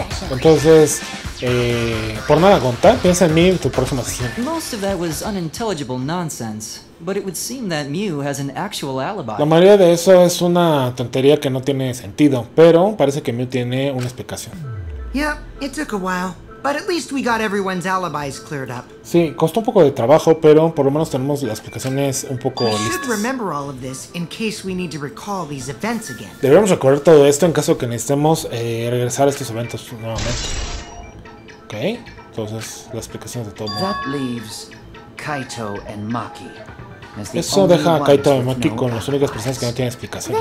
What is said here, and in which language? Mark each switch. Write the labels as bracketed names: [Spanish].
[Spanish] Entonces, por nada, Gonta, piensa en mí en tu próxima sesión. [English] Most of that was unintelligible nonsense, but it would seem that Mew has an actual alibi. [Spanish] La mayoría de eso es una tontería que no tiene sentido, pero parece que Mew tiene una explicación. [English] Yeah, it took a while, but at least we got everyone's alibis cleared up. [Spanish] Sí, costó un poco de trabajo, pero por lo menos tenemos las explicaciones un poco listas. [English] We should remember all of this in case we need to recall these events again. [Spanish] Deberíamos recordar todo esto en caso que necesitemos regresar a estos eventos nuevamente. Okay, entonces las explicaciones de todo. [English] That leaves Kaito and Maki. [Spanish] Eso deja a Kaito y Maki con las únicas personas que no tienen explicaciones.